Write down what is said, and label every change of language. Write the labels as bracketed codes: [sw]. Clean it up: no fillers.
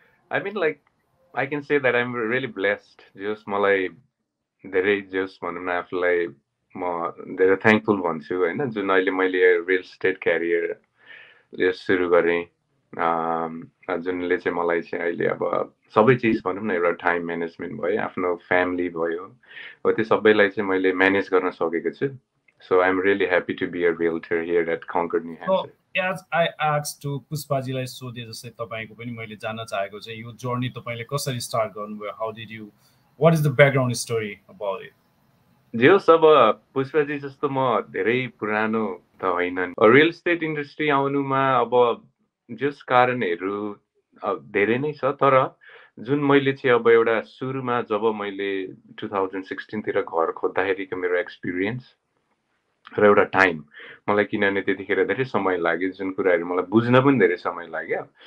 [en] I mean like I can say that I am really blessed, [ne] जस मलाई धेरै जस भन्नु न आफुलाई म धेरै थैंकफुल भन्छु हैन, जुन अहिले मैले रियल स्टेट करियर जस सुरु गरे, जुनले चाहिँ मलाई चाहिँ अहिले अब सबै चिज भनौँ न एउटा टाइम म्यानेजमेन्ट भयो, आफ्नो फ्यामिली भयो, हो त्यो सबैलाई चाहिँ मैले म्यानेज गर्न सकेको छु। [en] So I am really happy to be a realtor here at Concord New Hampshire. As I asked to [ne] पुष्पाजीलाई सोधे जस्तै तपाईँको पनि मैले जान्न चाहेको चाहिँ यो जर्नी तपाईँले कसरी स्टार्ट गर्नुभयो, [en] How did you, what is the background story about it? [ne] जे होस् अब पुष्पाजी जस्तो म धेरै पुरानो त होइन, रियल इस्टेट इन्डस्ट्री आउनुमा अब जस कारणहरू धेरै नै छ, तर जुन मैले चाहिँ अब एउटा सुरुमा जब मैले 2016 घर खोज्दाखेरिको मेरो एक्सपिरियन्स र एउटा टाइम मलाई, किनभने त्यतिखेर धेरै समय लाग्यो, जुन कुराहरू मलाई बुझ्न पनि धेरै समय लाग्यो।